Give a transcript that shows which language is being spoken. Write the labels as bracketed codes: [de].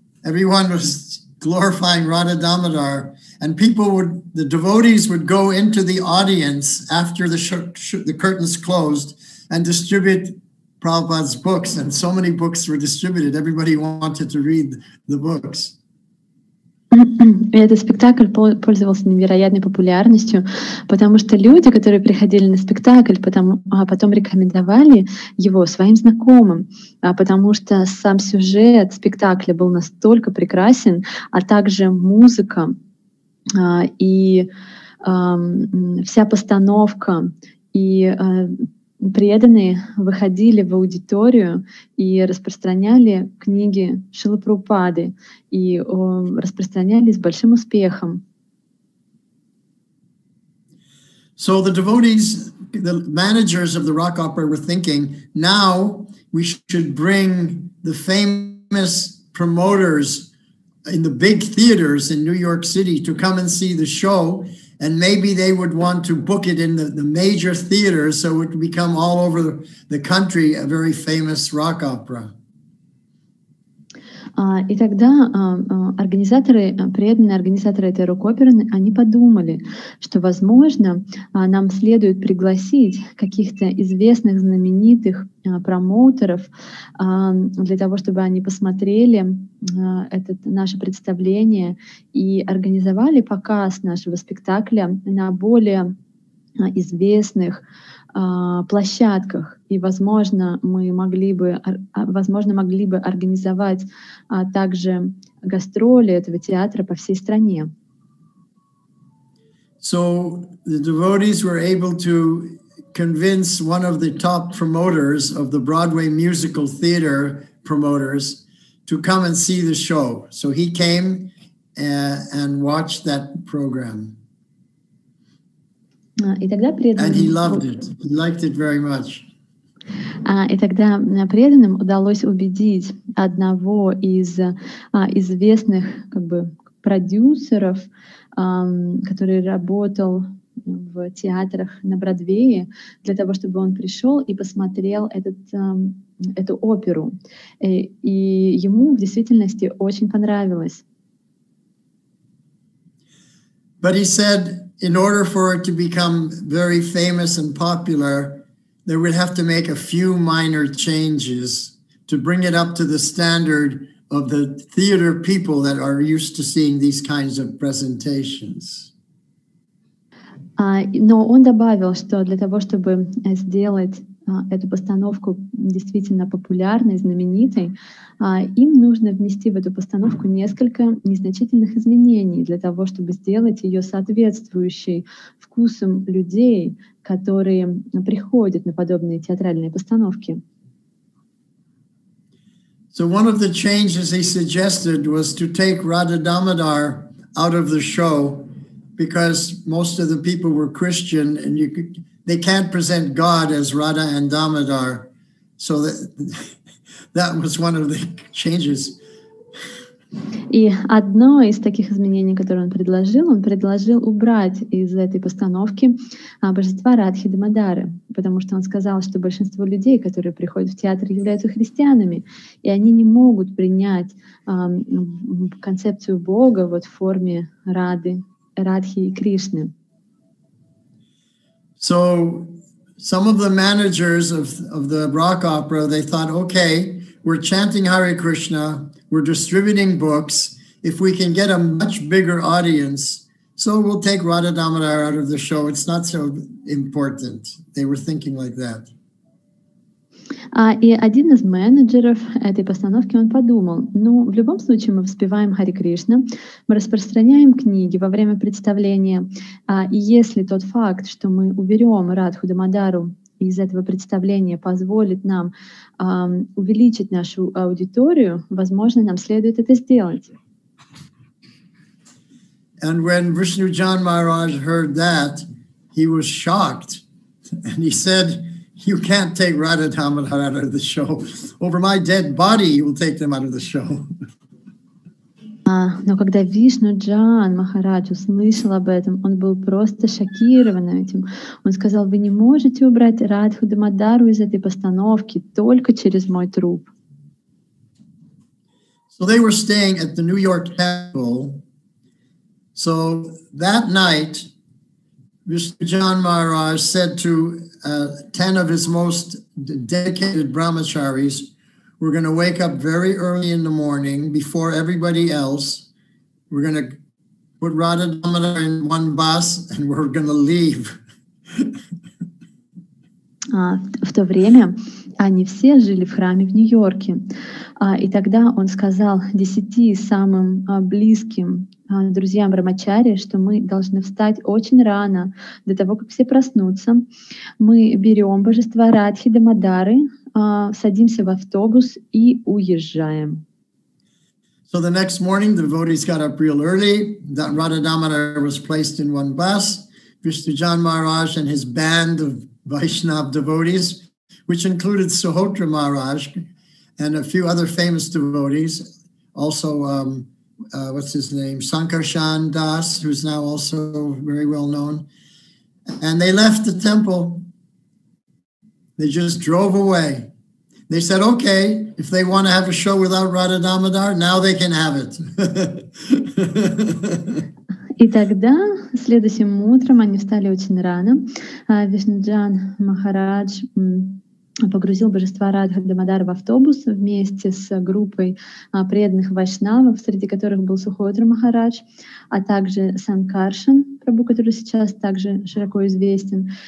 [en] everyone was glorifying Radha Damodar, and the devotees would go into the audience after the curtains closed and distribute Prabhupada's books, and so many books were distributed, everybody wanted to read the books. [ru] Этот спектакль пользовался невероятной популярностью, потому что люди, которые приходили на спектакль, потом рекомендовали его своим знакомым, потому что сам сюжет спектакля был настолько прекрасен, а также музыка и вся постановка, и преданные выходили в аудиторию и распространяли книги Шрилы Прабхупады и распространялись с большим успехом. [en] So the devotees, the managers of the rock opera were thinking, now we should bring the famous promoters in the big theaters in New York City to come and see the show. And maybe they would want to book it in the major theaters, so it would become all over the country a very famous rock opera. [ru] И тогда организаторы, преданные организаторы этой рок-оперы, они подумали, что, возможно, нам следует пригласить каких-то известных, знаменитых промоутеров для того, чтобы они посмотрели этот, наше представление и организовали показ нашего спектакля на более известных площадках, и, возможно, мы могли бы, возможно, могли бы организовать также гастроли этого театра по всей стране. [en] So the devotees were able to convince one of the top promoters of the Broadway musical theater promoters to come and see the show. So he came and watched that program. And he loved it. He liked it very much. [ru] И тогда преданным удалось убедить одного из известных как бы продюсеров, который работал в театрах на Бродвее, для того, чтобы он пришел и посмотрел этот, эту оперу. И ему в действительности очень понравилось. [en] But he said, in order for it to become very famous and popular, they would have to make a few minor changes to bring it up to the standard of the theater people that are used to seeing these kinds of presentations. [ru] Но он добавил, что для того, чтобы сделать эту постановку действительно популярной, знаменитой, им нужно внести в эту постановку несколько незначительных изменений для того, чтобы сделать ее соответствующей вкусам людей, которые приходят на подобные театральные постановки. [en] So one of the changes he suggested was to take Radha Damodar out of the show, because most of the people were Christian, and you could, they can't present God as Radha and Damodar. So that, that was one of the changes. [ru] И одно из таких изменений, которое он предложил убрать из этой постановки божества Радхи Дамодары, потому что он сказал, что большинство людей, которые приходят в театр, являются христианами, и они не могут принять концепцию Бога вот в форме Рады, Радхи и Кришны. [en] So some of the managers of the rock opera, they thought, okay, we're chanting Hare Krishna, we're distributing books. If we can get a much bigger audience, so we'll take Radha Damodar out of the show. It's not so important. They were thinking like that. [ru] И один из менеджеров этой постановки, он подумал, ну, в любом случае мы воспеваем Хари Кришна, мы распространяем книги во время представления, и если тот факт, что мы уберем Радху Дамодару из этого представления, позволит нам увеличить нашу аудиторию, возможно, нам следует это сделать. [en] And when Vishnujan Maharaj heard that, he was shocked, and he said, you can't take Radha Damodar out of the show. Over my dead body, you will take them out of the show. [ru] Но когда Вишнуджан Махарадж услышал об этом, он был просто шокирован этим. Он сказал, вы не можете убрать Радху Дамодару из этой постановки только через мой труп. [en] So they were staying at the New York Temple. So that night, Vishnujan Maharaj said to 10 of his most dedicated brahmacharis, we're going to wake up very early in the morning before everybody else. We're going to put Radha Damodar in one bus and we're going to leave. [ru] В то время они все жили в храме в Нью-Йорке. И тогда он сказал 10 самым близким друзьям брамачари, что мы должны встать очень рано до того, как все проснутся. Мы берем божество Радхи Дамодары, садимся в автобус и уезжаем. [en] So the next morning the devotees got up real early. That Radha Damodar was placed in one bus. Vishnujan Maharaj and his band of Vaishnav devotees, which included Sahotra Maharaj and a few other famous devotees, also what's his name, Sankarshan Das, who's now also very well known, and they left the temple. They just drove away. They said, okay, if they want to have a show without Radha Damodar, now they can have it. [ru] И тогда, следующим утром, они встали очень рано. Вишнуджан Махарадж погрузил божества Радха Дамодара в автобус вместе с группой преданных вайшнавов, среди которых был Сухотра Махарадж, а также Санкаршан Прабху, который сейчас также широко известен.